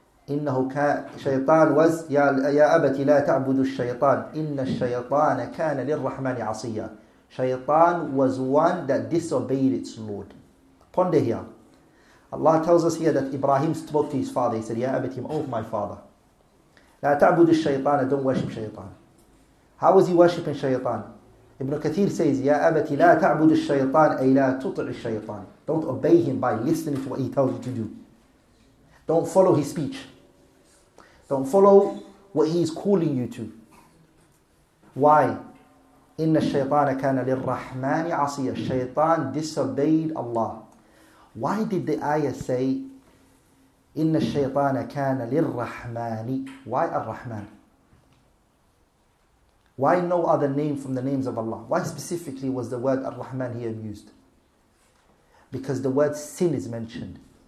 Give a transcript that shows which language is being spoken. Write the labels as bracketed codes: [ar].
[ar] إنه شيطان وز يا أبتي لا تعبد الشيطان إن الشيطان كان للرحمن عصيا. [en] شيطان was one that disobeyed its Lord. Ponder here. Allah tells us here that Ibrahim spoke to his father. He said, [ar] يا أبتي, [en] oh my father, [ar] لا تعبد الشيطان, [en] don't worship شيطان. How was he worshiping شيطان? Ibn Kathir says, [ar] يا أبتي لا تعبد الشيطان أي لا تطع الشيطان. [en] Don't obey him by listening to what he tells you to do. Don't follow his speech. Don't follow what he is calling you to. Why? [ar] إن الشيطان كان للرحمن عصيا. [en] Shaytan disobeyed Allah. Why did the ayah say [ar] إن الشيطان كان للرحمن؟ [en] Why الرحمن؟ Why no other name from the names of Allah? Why specifically was the word الرحمن here used? Because the word sin is mentioned.